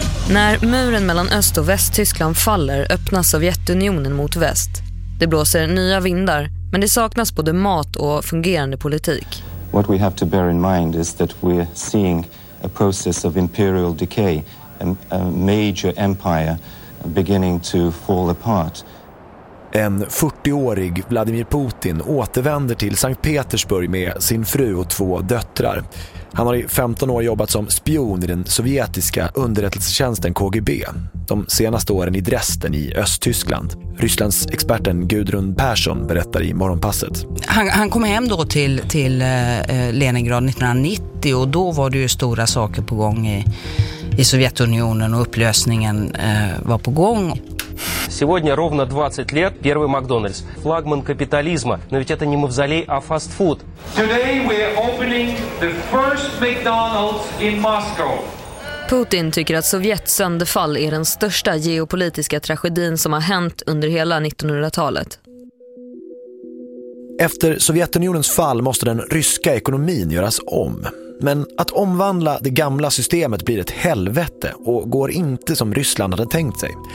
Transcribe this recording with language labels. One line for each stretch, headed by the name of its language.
Swedish: När muren mellan Öst- och Västtyskland faller öppnas Sovjetunionen mot väst. Det blåser nya vindar, men det saknas både mat och fungerande politik.
English: What we have to bear in mind is that we're seeing a process of imperial decay, a major empire beginning to fall apart.
Swedish: En 40-årig Vladimir Putin återvänder till Sankt Petersburg med sin fru och 2 döttrar. Han har i 15 år jobbat som spion i den sovjetiska underrättelsetjänsten KGB. De senaste åren i Dresden i Östtyskland. Rysslands experten Gudrun Persson berättar i morgonpasset. Han kom hem då till Leningrad 1990 och då var det ju stora saker på gång i Sovjetunionen och upplösningen var på gång.
Russian: Сегодня ровно 20 лет первый Макдональдс, флагман капитализма. Но ведь это не мавзолей, а фастфуд.
English: Today we're opening the first McDonald's in Moscow.
Swedish: Putin tycker att Sovjets sönderfall är den största geopolitiska tragedin som har hänt under hela 1900-talet. Efter Sovjetunionens fall måste den ryska ekonomin göras om. Men att omvandla det gamla systemet blir ett helvete och går inte som Ryssland hade tänkt sig.